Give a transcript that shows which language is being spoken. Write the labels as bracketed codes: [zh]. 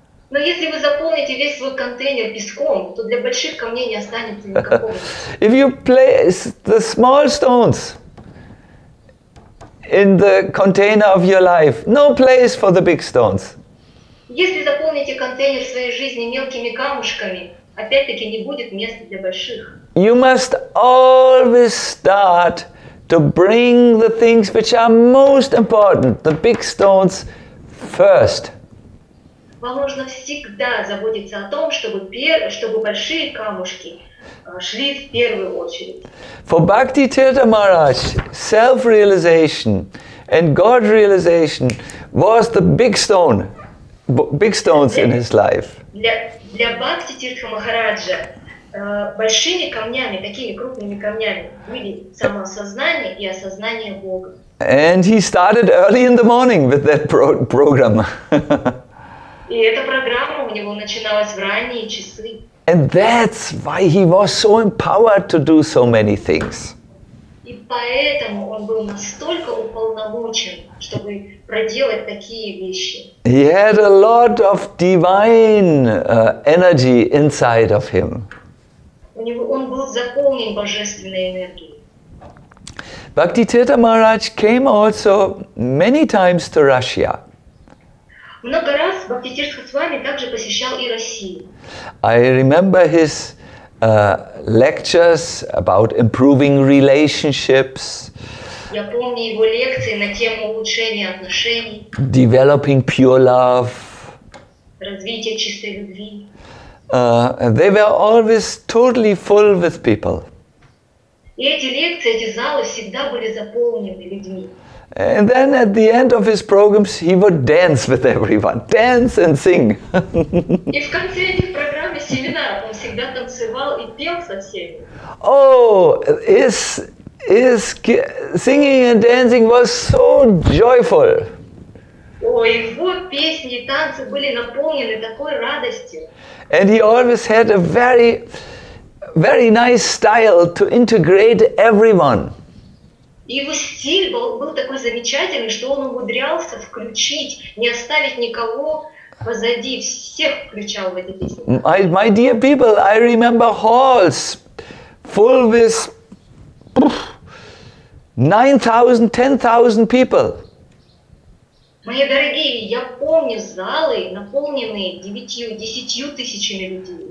[ru] Но если вы заполните весь свой контейнер песком, то для больших камней не останется никакого. [en] If you place the small stones in the container of your life, no place for the big stones. [ru] Если заполните контейнер своей жизни мелкими камушками, опять-таки не будет места для больших. [en] You must always start to bring the things which are most important, the big stones, first. [ru] Вам нужно всегда заботиться о том, чтобы большие камушки шли в первую очередь. [en] For Bhakti Tirtha Maharaj, self-realization and God-realization was the big stones in his life. [ru] Для Бхакти Тиртха Махараджа большими камнями, такими крупными камнями, были самоосознание и осознание Бога. [en] And he started early in the morning with that program. [ru] И эта программа у него начиналась в ранние часы. [en] And that's why he was so empowered to do so many things. [ru] поэтому он был настолько уполномочен, чтобы проделать такие вещи. [en] He had a lot of divine energy inside of him. [ru] У него он был заполнен божественной энергией. [en] Bhaktitirtha Maharaj came also many times to Russia. [ru] Много раз Бхактитирта с вами также посещал и Россию. [en] I remember his lectures about improving relationships. [ru] Я помню его лекции на тему улучшения отношений. [en] Developing pure love. [ru] Развитие чистой любви. [en] They were always totally full with people. [ru] И эти лекции, эти залы всегда были заполнены людьми. [en] And then at the end of his programs, he would dance with everyone, dance and sing. [ru] И в конце этих программ и семинаров он всегда танцевал и пел со всеми. [en] Oh, his singing and dancing was so joyful. [ru] Oh, его песни и танцы были наполнены такой радостью. [en] And he always had a very, very nice style to integrate everyone. [ru] Его стиль был такой замечательный, что он умудрялся включить, не оставить никого позади, всех включал в эти песни. [en] My dear people, I remember halls full with 9,000, 10,000 people. [ru] Мои дорогие, я помню залы, наполненные 9-10 тысячами людей.